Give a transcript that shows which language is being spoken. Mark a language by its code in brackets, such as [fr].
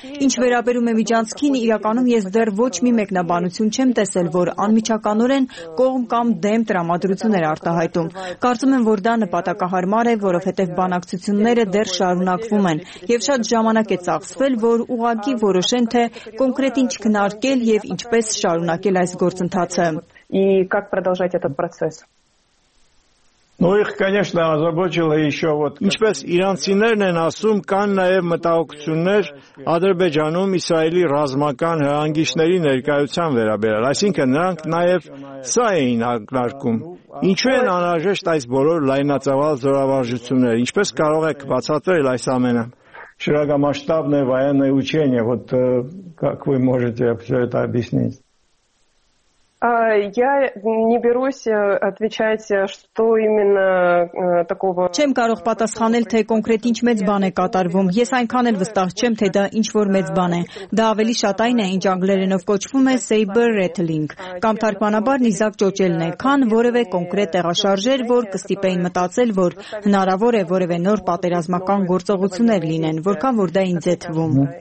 [hy] Ինչ վերաբերում է միջանցքին, իրականում ես դեռ ոչ մի մեկնաբանություն չեմ տեսել, որ անմիջականորեն կողմ կամ դեմ տրամադրություններ արտահայտում։ Կարծում եմ, որ դա նպատակահարմար է, որովհետև բանակցությունները դեռ շարունակվում են, եւ շատ ժամանակ է ծախսվել, որ ուղղակի որոշեն, թե կոնկրետ ինչ քննարկել եւ ինչպես շարունակել այս գործընթացը։ [ru] И как продолжать этот процесс? Ну их, конечно, озабочило ещё вот. [hy] Ինչպես իրանցիներն են ասում, կան նաեւ մտահոգություններ Ադրբեջանում Իսրայելի ռազմական հանգիշների ներկայության վերաբերյալ, այսինքն նրանք նաեւ սա էին ակնարկում։ Ինչու են անհրաժեշտ այս բոլոր լայնածավալ զորավարժությունները, ինչպես կարող եք բացատրել այս ամենը։ [ru] Շրագամասշտաբնե վայանե ուչենիե, вот как вы можете всё это объяснить? Я не берусь отвечать, что именно такого. Чем [hy] կարող պատասխանել, թե կոնկրետ ինչ մեծ բան է կատարվում։ Ես այնքան էլ վստահ չեմ, թե դա ինչ որ մեծ բան է։ Դա ավելի շատ այն է, ինչ անգլերենով կոչվում է [en] saber rattling, [hy] կամ թարգմանաբար նիզակ ճոճելն է, քան որևէ կոնկրետ տեղաշարժեր, որ կստիպեին մտածել, որ հնարավոր է որևէ նոր պատերազմական գործողություններ լինեն, որքան որ դա ինձ է թվում։